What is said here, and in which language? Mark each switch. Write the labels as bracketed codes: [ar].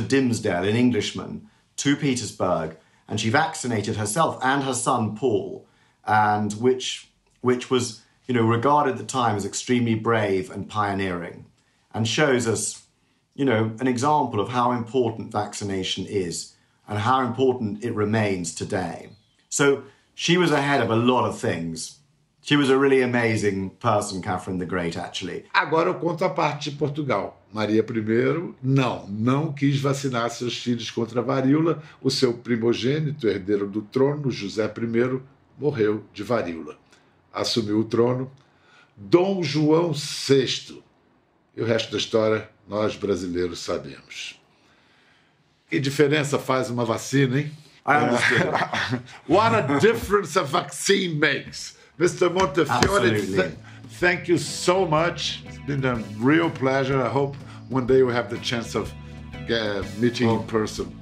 [en] Dimmesdale, an Englishman, to Petersburg, and she vaccinated herself and her son Paul, and which was, you know, regarded at the time as extremely brave and pioneering, and shows us, you know, an example of how important vaccination is and how important it remains today. So she was ahead of a lot of things. She was a really amazing person, Catherine the Great, actually. [pt] Agora eu conto a parte de Portugal. Maria I não quis vacinar seus filhos contra a varíola. O seu primogênito, herdeiro do trono, José I, morreu de varíola. Assumiu o trono Dom João VI. E o resto da história nós brasileiros sabemos. Que diferença faz uma vacina, hein? [en] What a difference a vaccine makes. Mr. Montefiore, thank you so much. It's been a real pleasure. I hope one day we have the chance of meeting in person.